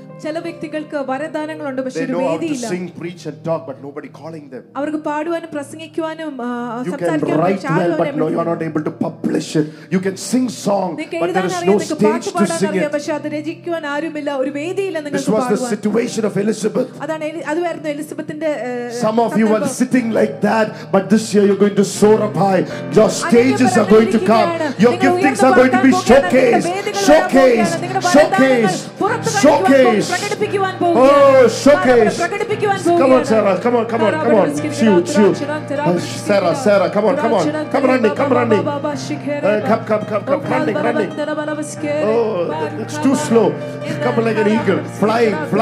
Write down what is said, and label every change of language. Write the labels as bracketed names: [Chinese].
[Malayalam] ചില വ്യക്തികൾക്ക് വരദാനങ്ങൾ ഉണ്ട് പക്ഷേ ഒരു വേദിയില്ല [English] They know how to sing, preach and talk but nobody calling them [Malayalam] അവർക്ക് പാടുവാനും പ്രസംഗിക്കുവാനും സംസാരിക്കാനും ചാടുവാനും [English] You are not able to publish it you can sing song but there is no stage to sing it [Malayalam] പക്ഷേ അത് രചിക്കുവാൻ ആരുമില്ല ഒരു വേദിയില്ല നിങ്ങൾക്ക് പാടുവാൻ [English] This was the situation of Elizabeth [Malayalam] അതാണ് അതുവരെ എലിസബത്തിന്റെ [English] Some of you were sitting like that but this year you're going to soar up high your stages are going to come your giftings are going to be showcased Come on, Sarah, come on, it's too slow, come like an eagle flying